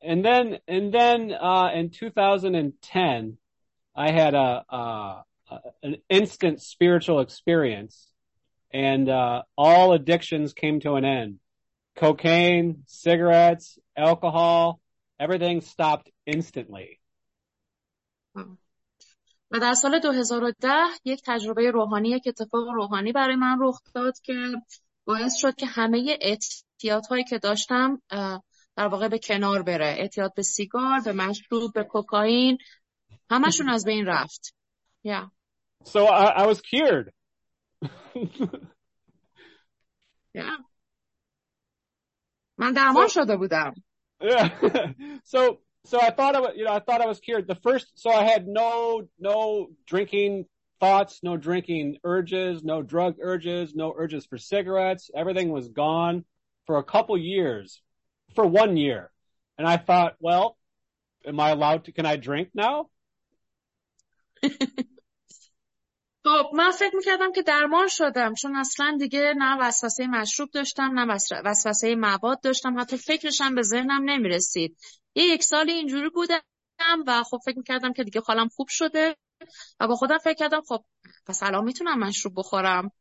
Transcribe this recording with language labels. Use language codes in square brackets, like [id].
[en] And then in 2010 I had an instant spiritual experience, and all addictions came to an end. Cocaine, cigarettes, alcohol, everything stopped instantly. [fa] و در سال 2010 یک تجربه روحانی، یک اتفاق روحانی برای من رخ داد که باعث شد که همه اعتیادهایی که داشتم در واقع به کنار بره. اعتیاد به سیگار، به مشروب، به کوکائین، همشون از بین رفت. [en] Yeah. So I was cured. [fa] Yeah. من درمان شده بودم. [en] Yeah. So I thought I was cured. The first, so I had no drinking thoughts, no drinking urges, no drug urges, no urges for cigarettes. Everything was gone for a couple years. For 1 year. And I thought, well, am I allowed to, can I drink now? [fa] خب من فکر میکردم که درمان شدم، چون اصلا دیگه نه وسوسه مشروب داشتم، نه وسوسه مواد داشتم، حتی فکرشم به ذهنم نمیرسید. یک سال اینجوری بودم و خب فکر میکردم که دیگه حالم خوب شده و با خودم فکر کردم خب پس الان میتونم مشروب بخورم.